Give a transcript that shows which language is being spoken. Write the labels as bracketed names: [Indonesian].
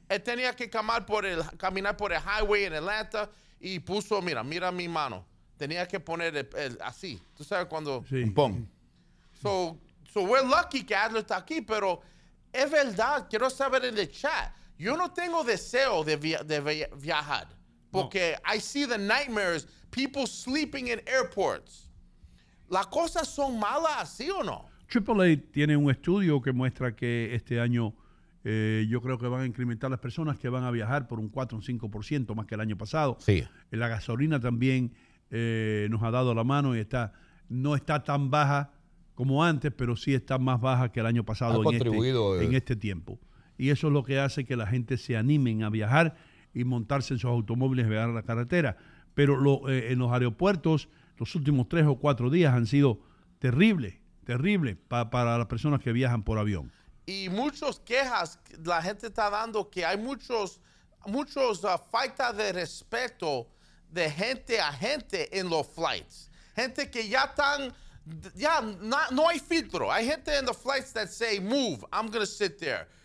[Spanish] Él tenía que caminar por el highway en Atlanta y puso, mira mi mano. Tenía que poner el así. ¿Tú sabes cuando? Sí. Un pom. So we're lucky que Adler está aquí, pero es verdad, quiero saber en el chat. Yo no tengo deseo de viajar porque no. [English] I see the nightmares, people sleeping in airports. [Spanish] ¿Las cosas son malas, sí o no? AAA tiene un estudio que muestra que este año yo creo que van a incrementar las personas que van a viajar por un 4 o 5% más que el año pasado. Sí. La gasolina también nos ha dado la mano y no está tan baja como antes, pero sí está más baja que el año pasado en este tiempo. Y eso es lo que hace que la gente se animen a viajar y montarse en sus automóviles y viajar a la carretera. Pero en los aeropuertos, los últimos 3 o 4 días han sido terribles para las personas que viajan por avión. Y muchas quejas la gente está dando, que hay muchos falta de respeto de gente a gente en los flights. Gente que ya están... No hay filtro. [English] Hay gente en the flights that say, move, I'm going to sit there.